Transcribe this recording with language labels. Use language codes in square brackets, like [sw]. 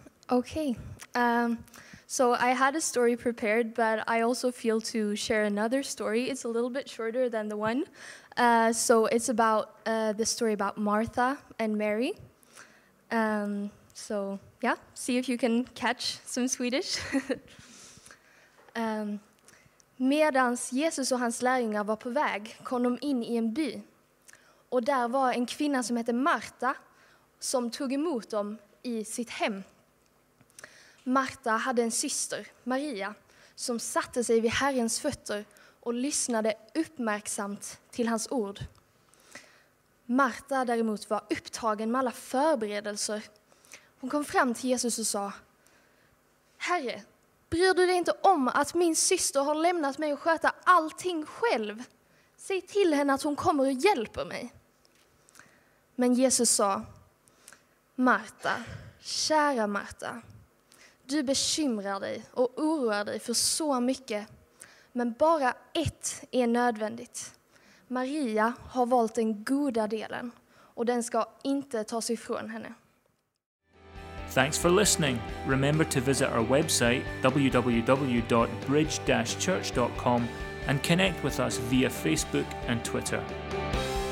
[en] Okay, so I had a story prepared, but I also feel to share another story. It's a little bit shorter than the one. So it's about the story about Martha and Mary. So yeah, see if you can catch some Swedish. [sv] Medans Jesus och hans lärjungar var på väg, kom de in i en by. Och där var en kvinna som hette Marta som tog emot dem I sitt hem. Marta hade en syster, Maria, som satte sig vid Herrens fötter och lyssnade uppmärksamt till hans ord. Marta däremot var upptagen med alla förberedelser. Hon kom fram till Jesus och sa: Herre, bryr du dig inte om att min syster har lämnat mig att sköta allting själv? Säg till henne att hon kommer och hjälper mig. Men Jesus sa: Marta, kära Marta, du bekymrar dig och oroar dig för så mycket. Men bara ett är nödvändigt. Maria har valt den goda delen och den ska inte tas ifrån henne. [en] Thanks for listening. Remember to visit our website www.bridge-church.com and connect with us via Facebook and Twitter.